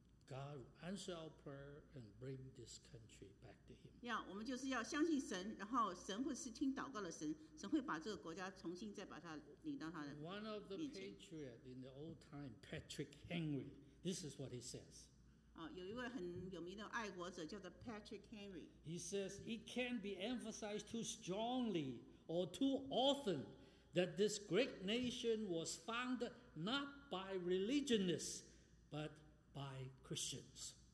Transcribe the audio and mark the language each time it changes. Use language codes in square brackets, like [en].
[en] God answer our prayer and bring this country back to Him. [zh] Yeah, 我们就是要相信神，然后神会是听祷告的神，神会把这个国家重新再把它领到他的面前。 [en] One of the patriots in the old time, Patrick Henry. This is what he says. [zh] 有一位很有名的爱国者叫做 Patrick Henry. [en] He says it can't be emphasized too strongly or too often that this great nation was founded not by religionists, but by Christians.